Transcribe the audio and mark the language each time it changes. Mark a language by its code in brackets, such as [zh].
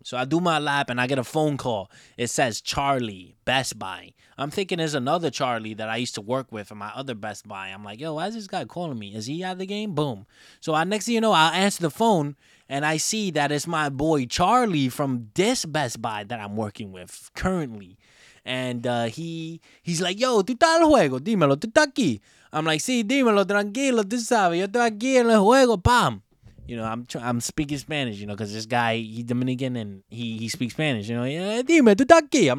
[en] So I do my lap and I get a phone call. It says Charlie, Best Buy. I'm thinking there's another Charlie that I used to work with at my other Best Buy. I'm like, yo, why is this guy calling me? Is he at the game? Boom. So I, next thing you know, I answer the phone and I see that it's my boy Charlie from this Best Buy that I'm working with currently. And he's like, [es] yo, tú estás en el juego, dímelo, tú estás aquí. [en] I'm like, [es] sí, dímelo, tranquilo, tú sabes, yo estoy aquí en el juego, pam. [en] You know, I'm speaking Spanish, you know, because this guy, he's Dominican and he speaks Spanish. You know, yeah, [es] dime, tú estás aquí.